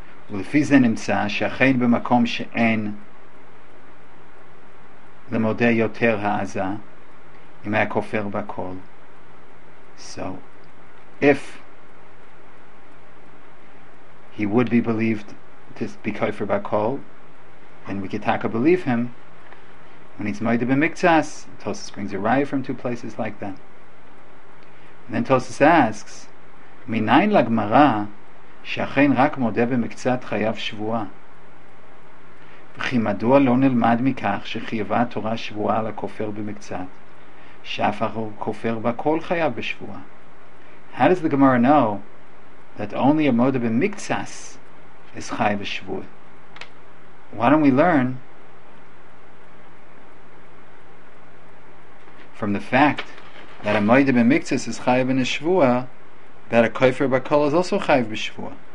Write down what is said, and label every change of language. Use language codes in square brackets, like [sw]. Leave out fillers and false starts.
[he] ולפי זה נמצא שאכן במקום שאין למודה יותר העזה אם היה כופר בכל. [en] So if he would be believed to be כופר בכל, then we could talk to believe him when he's מועד במקצס. Tosis brings a raya from two places like that, and then Tosis asks [he] מניין לגמרא שאכן רק מודה במקצת חייו שבועה, וכי מדוע לא נלמד מכך שחייבה התורה שבועה לכופר במקצת, שאף אחר כופר בכל חייו בשבועה? [en] How does the Gemara know that only a modah b'miktsas is chayav b'shvuah? Why don't we learn from the fact that a modah b'miktsas is chayav in a shvuah that a kofer bakol is also chayv b'shvuah?